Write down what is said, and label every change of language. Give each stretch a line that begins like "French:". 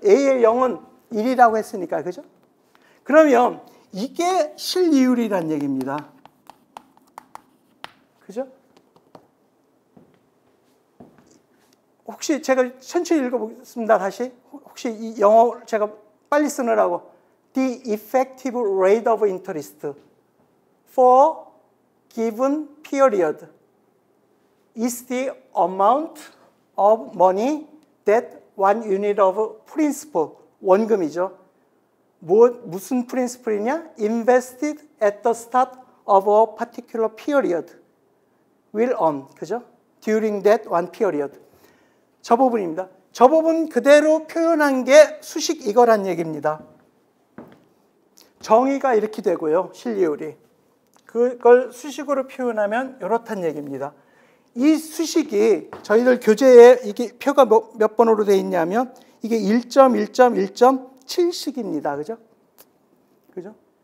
Korean: A의 0은 1이라고 했으니까. 그죠? 그러면 이게 실이율이란 얘기입니다. 그죠? 혹시 제가 천천히 읽어보겠습니다. 다시. 혹시 이 영어 제가 빨리 쓰느라고.
English: The effective rate of interest for given period is the amount of money that one unit of principal,
Korean: 원금이죠. 무슨 principal이냐?
English: Invested at the start of a particular period will earn,
Korean: 그죠?
English: During that one period.
Korean: 저 부분입니다. 저 부분 그대로 표현한 게 수식 이거란 얘기입니다. 정의가 이렇게 되고요. 실리율이. 그걸 수식으로 표현하면 이렇단 얘기입니다. 이 수식이 저희들 교재에 이게 표가 몇 번으로 돼 있냐면 이게 1.1.1.7식입니다. 그죠? 그죠?